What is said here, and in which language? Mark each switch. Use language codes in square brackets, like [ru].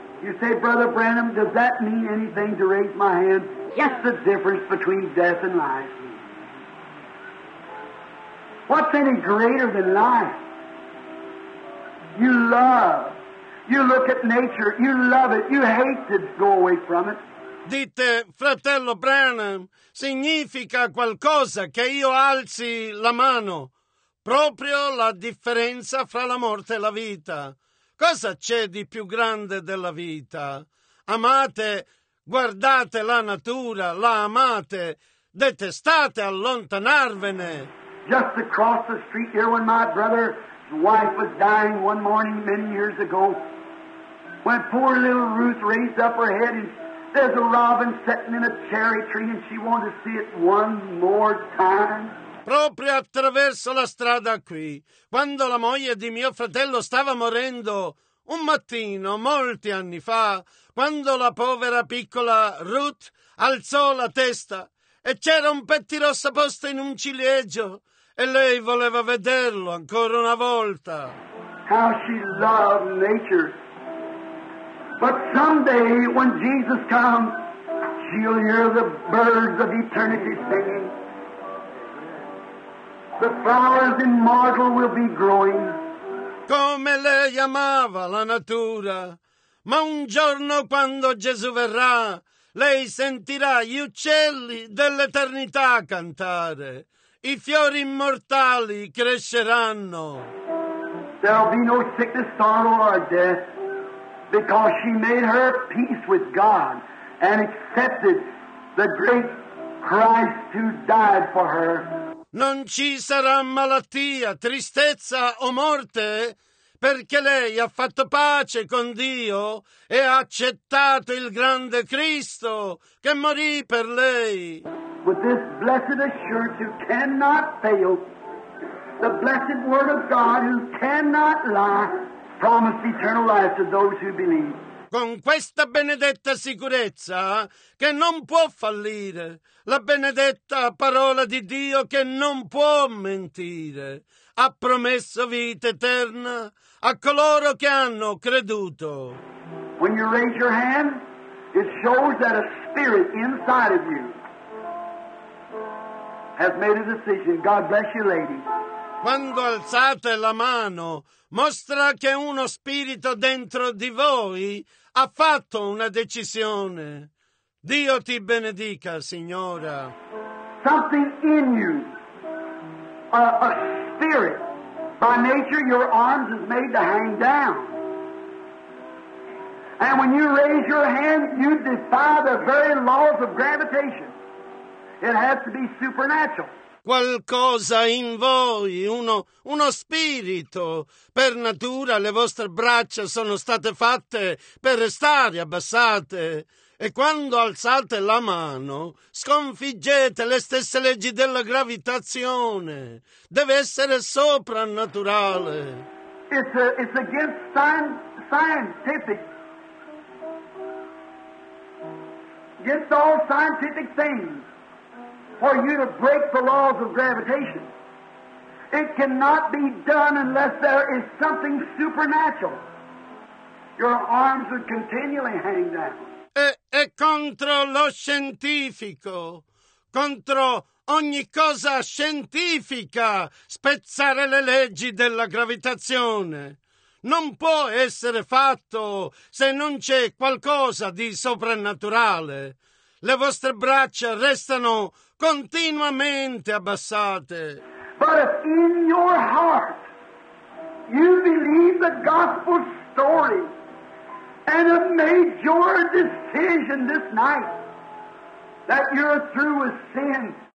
[en] You say, Brother Branham, does that mean anything to raise my hand? What's the difference between death and life? What's any greater than life? You love. You look at nature, you love it, you hate to go away from it. [it] Dite, Fratello Branham, significa qualcosa che io alzi la mano? Proprio la differenza fra la morte e la vita. Cosa c'è di più grande della vita? Amate, guardate la natura, la amate, detestate, allontanarvene. [en] Just across the street here when my brother's wife was dying one morning many years ago, when poor little Ruth raised up her head and there's a robin sitting in a cherry tree and she wanted to see it one more time. [it] Proprio attraverso la strada qui, quando la moglie di mio fratello stava morendo, un mattino, molti anni fa, quando la povera piccola Ruth alzò la testa e c'era un pettirossa posto in un ciliegio e lei voleva vederlo ancora una volta. [en] How she loved nature. But someday, when Jesus comes, she'll hear the birds of eternity singing. The flowers immortal will be growing. [it] Come lei amava la natura, ma un giorno quando Gesù verrà, lei sentirà gli uccelli dell'eternità cantare. I fiori immortali cresceranno. [en] There'll be no sickness, sorrow, or death. Because she made her peace with God and accepted the great Christ who died for her. [it] Non ci sarà malattia, tristezza o morte, perché lei ha fatto pace con Dio e ha accettato il grande Cristo che morì per lei. [en] With this blessed assurance who cannot fail, the blessed word of God who cannot lie, promise eternal life to those who believe. [it] Con questa benedetta sicurezza che non può fallire, la benedetta parola di Dio che non può mentire, ha promesso vita eterna a coloro che hanno creduto. [en] When you raise your hand, it shows that a spirit inside of you has made a decision. God bless you, lady. [it] Quando alzate la mano, mostra che uno spirito dentro di voi ha fatto una decisione. Dio ti benedica, Signora. [en] something in you, a spirit. By nature, your arms is made to hang down. And when you raise your hand, you defy the very laws of gravitation. It has to be supernatural. [it] Qualcosa in voi, uno spirito. Per natura le vostre braccia sono state fatte per restare abbassate. E quando alzate la mano, sconfiggete le stesse leggi della gravitazione. Deve essere soprannaturale. [en] It's against scientific. Against all scientific things for you to break the laws of gravitation. It cannot be done unless there is something supernatural. Your arms would continually hang down. [it] E contro lo scientifico, contro ogni cosa scientifica, spezzare le leggi della gravitazione. Non può essere fatto se non c'è qualcosa di soprannaturale. Le vostre braccia restano continuamente abbassate. [en] But if in your heart you believe the gospel story and have made your decision this night that you're through with sin.